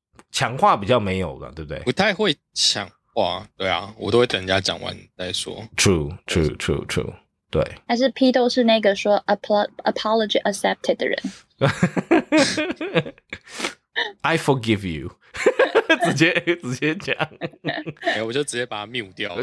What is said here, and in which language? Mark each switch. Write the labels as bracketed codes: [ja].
[zh] 抢话比较没有了，对不对？不太会抢话，对啊，我都会等人家讲完再说。 [en] True, true, true, true。 [zh] 对，还是 P 都是那个说 [en] apology accepted [zh] 的人。 [en] I forgive you [zh] 直接讲、欸、我就直接把他 mute 掉了，